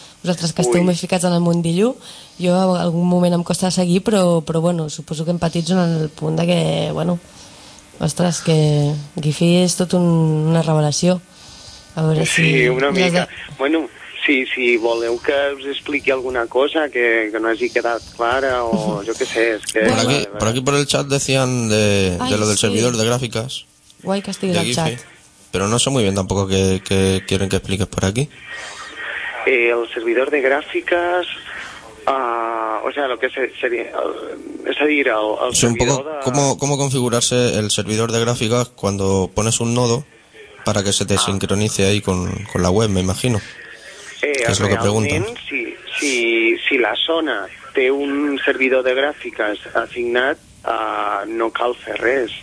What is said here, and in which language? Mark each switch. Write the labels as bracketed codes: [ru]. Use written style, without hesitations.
[ca] Vosaltres que esteu més ficats en el mundillo, jo en algun moment em costa seguir, però bueno, suposo que empatitzo en el punt de que, bueno, ostres, que Wi-Fi és tot una revelació. A veure si... Sí, una mica. Bueno, si voleu que us expliqui alguna cosa que no hagi quedat clara o jo què sé, és que... Per aquí per el chat [es] decían de lo del servidor de gràfiques. [ca] Guai que estigui al chat. Però [es] no sé muy bien tampoco que quieren que expliques por aquí. [ca] El servidor de gràfiques... [es] o sea, lo que sería... Es decir, el servidor un poco, de... ¿Cómo configurarse el servidor de gráficas cuando pones un nodo para que se te sincronice ahí con la web, me imagino? Que es lo que preguntan. [ca] Si la zona té un servidor de gràfiques assignat, no cal fer res.